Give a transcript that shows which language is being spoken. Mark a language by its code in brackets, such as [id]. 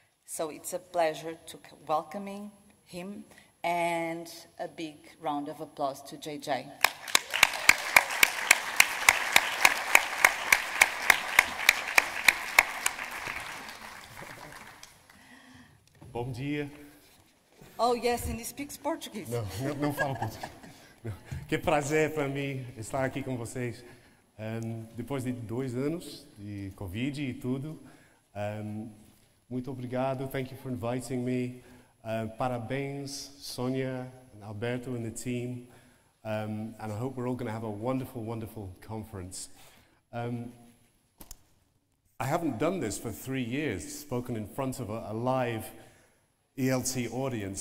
[en] So it's a pleasure to welcome him, and a big round of applause to JJ. [pt] Bom dia. [en] Oh yes, and he speaks Portuguese. [pt] Não falo português. Que prazer para mim estar aqui com vocês. Depois de 2 anos de Covid e tudo, muito obrigado. [en] Thank you for inviting me. Parabéns, Sonia, Alberto, and the team. And I hope we're all going to have a wonderful, wonderful conference. I haven't done this for 3 years, spoken in front of a live ELT audience.